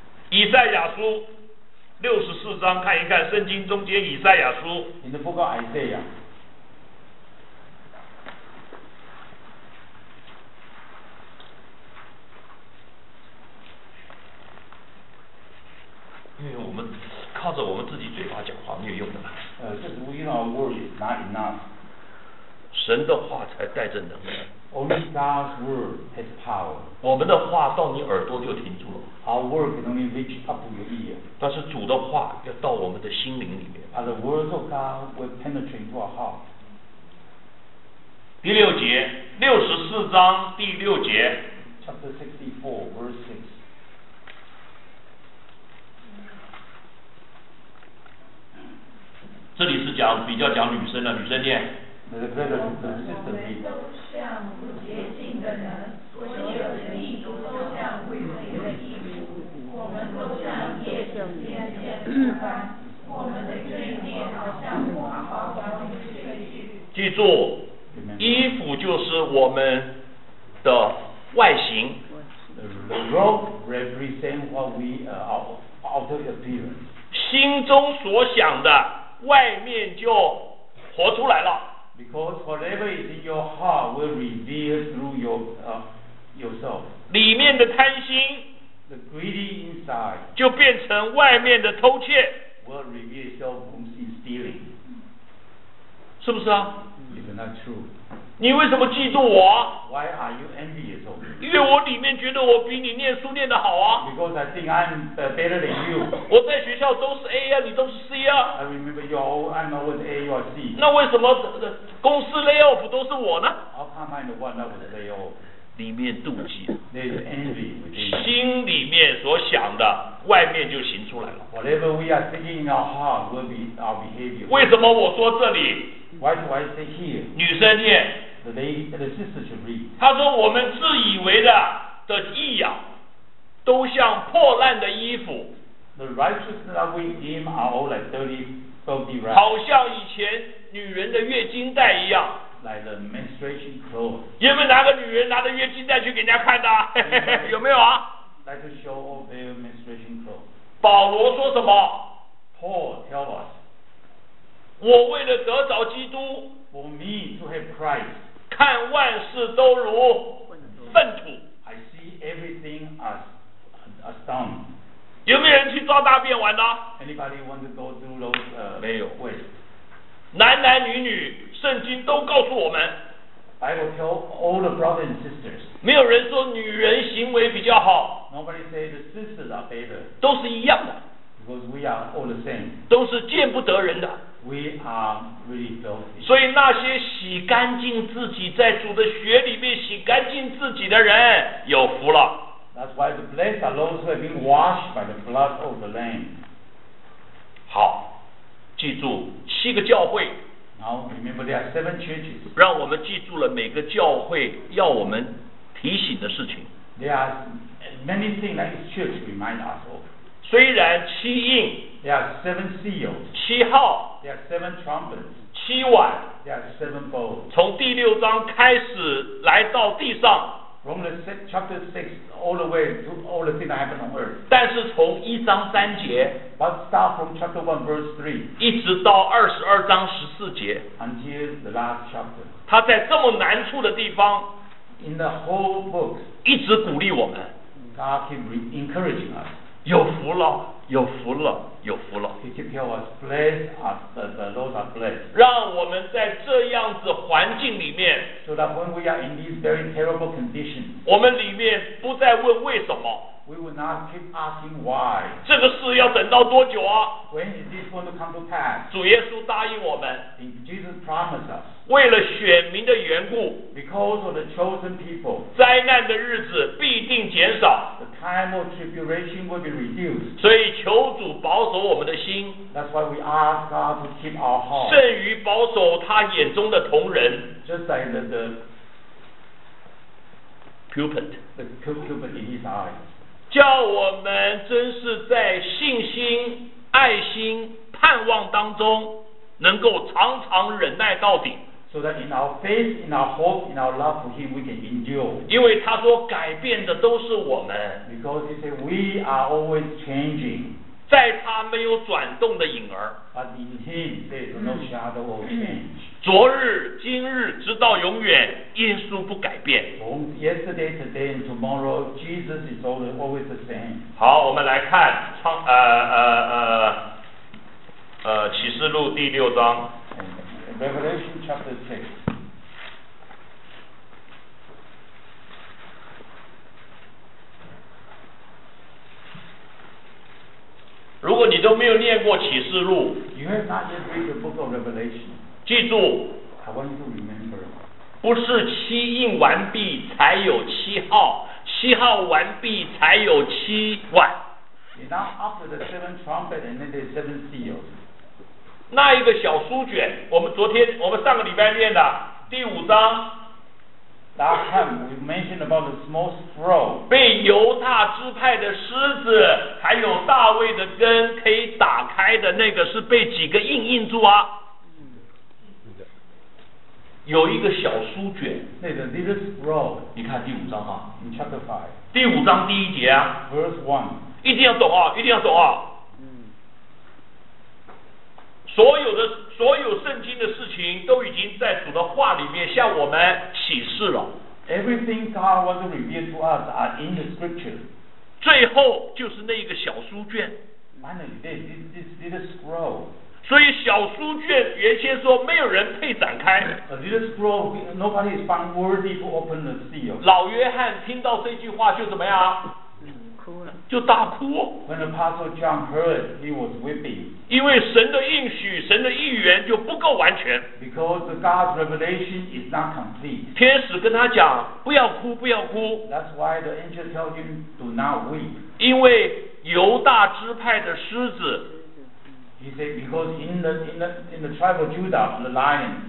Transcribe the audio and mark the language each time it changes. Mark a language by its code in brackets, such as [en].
[zh] 以赛亚书六十四章，看一看圣经中间以赛亚书。 [en] In the book of Isaiah. [zh] 因为我们靠着我们自己嘴巴讲话没有用的嘛。 [en] Just we know our word is not enough. [zh] 神的话才带着能力。 [en] Only God's word has power. [zh] 我们的话到你耳朵就停住了。 [en] Our word can only reach up to your ear. [zh] 但是主的话要到我们的心灵里面。 [en] But the words of God will penetrate into our heart. [zh] 第六节，六十四章第六节。 [en] Chapter 64, verse 6. [zh] 这里是讲比较讲女生的，女生念。我们都像不洁净的人，所有的地都像毁灭的衣服，我们都像夜间的人一般，我们的罪孽好像花花的血迹。记住，衣服就是我们的外形。 [en] The robe represents what we outer appearance. [zh] 心中所想的，外面就活出来了。 [en] Because whatever is in your heart will reveal through yourself. [zh] 里面的贪心 [en] ，the greedy inside， [zh] 就变成外面的偷窃 [en] ，will reveal itself in stealing. [zh] 是不是啊 [en] ？Isn't that true？ [zh] 你为什么嫉妒我 [en] ？Why are you envious of me？ [zh] 因为我里面觉得我比你念书念得好啊。 [en] Because I think I'm better than you. [zh] 我在学校都是 A 啊，你都是 C 啊。 [en] I remember you all, I'm always A, you are C. [zh] 那为什么公司 layoff 都是我呢 [en] ？How come I'm the one that was layoff？ [zh] 里面妒忌。 [en] There's envy. [zh] 心里面所想的，外面就行出来了。 [en] Whatever we are thinking in our heart will be our behavior. [zh] 为什么我说这里？ [en] Why do I say here? [zh] 女生念。 [en] The lady, the sister should read. [zh] 她说我们自以为的义啊，都像破烂的衣服。 [en] The righteousness that we deem are all like dirty, filthy rags. [zh] 好像以前女人的月经带一样。 [en] Like the menstruation clothes. [zh] 有没有哪个女人拿着月经带去给人家看的？有没有啊 [en] ？Like to show off their menstruation clothes. [zh] 保罗说什么 [en] ？Paul tell us. [zh] 我为了得着基督 [en] For me to have Christ, [zh] 看万事都如粪土 [en] I see everything as dung [zh] 有没有人去抓大便玩呢 [en] Anybody want to go through those [zh] 没有 [en] waste [zh] 男男女女圣经都告诉我们 [en] I will tell all the brothers and sisters [zh] 没有人说女人行为比较好 [en] Nobody say the sisters are better [zh] 都是一样的 [en] Because we are all the same [zh] 都是见不得人的 [en] We are really filthy. [zh] 所以那些洗干净自己在主的血里面洗干净自己的人有福了。 [en] That's why the blessed are those who have been washed by the blood of the Lamb. [zh] 好，记住七个教会。 [en] Now remember there are seven churches. [zh] 让我们记住了每个教会要我们提醒的事情。 [en] There are many things that his church remind us of. [zh] 虽然七印 [en] there are seven seals. [zh] 七号 [en] there are seven trumpets. [zh] 七碗 [en] there are seven bowls. [zh] 从第六章开始来到地上 [en] from the chapter 6 all the way to all the things that happen on earth. [zh] 但是从一章三节 [en] but start from chapter 1 verse 3 [zh] 一直到二十二章十四节 [en] until the last chapter. [zh] 他在这么难处的地方 [en] in the whole book. [zh] 一直鼓励我们 [en] God keep encouraging us. [zh] 有福了，有福了，有福了。 [en] He keep telling us, blessed are the Lord are blessed. [zh] 让我们在这样子环境里面 [en] ，so that when we are in these very terrible conditions, [zh] 我们里面不再问为什么。 [en] We will not keep asking why. [zh] 这个事要等到多久啊 [en] ？When is this going to come to pass? [zh] 主耶稣答应我们 [en] ，Jesus promised us. [zh] 为了选民的缘故 [en] ，because of the chosen people, [zh] 灾难的日子必定减少 [en] ，the time of tribulation will be reduced. [zh] 所以求主保守我们的心 [en] ，that's why we ask God to keep our heart. [zh] 甚于保守他眼中的瞳仁 [en] ，just like the cupid, the cupid in his eyes. [zh] 叫我们真是在信心、爱心、盼望当中，能够常常忍耐到底。 [en] So that in our faith, in our hope, in our love for Him, we can endure. [zh] 因为他说改变的都是我们。 [en] Because He said we are always changing. [zh] 在他没有转动的影儿。 [en] But in Him, there is no shadow of change. [zh] 昨日、今日、直到永远，耶稣不改变。 [en] From yesterday, today, and tomorrow, Jesus is always the same. [zh] 好，我们来看启示录第六章。 [en] Revelation chapter 6. [zh] 如果你都没有念过启示录 [en] ，You have not yet read the book of Revelation. [zh] 记住 [en] ，I want you to remember. [zh] 不是七印完毕才有七号，七号完毕才有七碗。 [en] Now after the seven trumpet and then the seven seals. [zh] 那一个小书卷，我们上个礼拜念的第五章。 [en] Last time we mentioned about the small scroll. [zh] 被犹大支派的狮子，还有大卫的根可以打开的那个，是被几个印印住啊？有一个小书卷。 [en] 那个 little scroll. [zh] 你看第五章啊。 [en] In chapter five. [zh] 第五章第一节啊。 [en] Verse one. [zh] 一定要懂啊，一定要懂啊。所有圣经的事情都已经在主的话里面向我们启示了。 [en] Everything God wants to reveal to us are in the scripture. [zh] 最后就是那一个小书卷。 [en] Finally, this little scroll. [zh] 所以小书卷原先说没有人配展开。 [en] A little scroll, nobody is found worthy to open the seal. [zh] 老约翰听到这句话就怎么样？就大哭。 [en] When the Apostle John heard, he was weeping. [zh] 因为神的应许、神的预言就不够完全。 [en] Because the God's revelation is not complete. [zh] 天使跟他讲，不要哭，不要哭。 [en] That's why the angel tells him, do not weep. [zh] 因为犹大支派的狮子。 [en] He said, because in the tribe of Judah, the lion.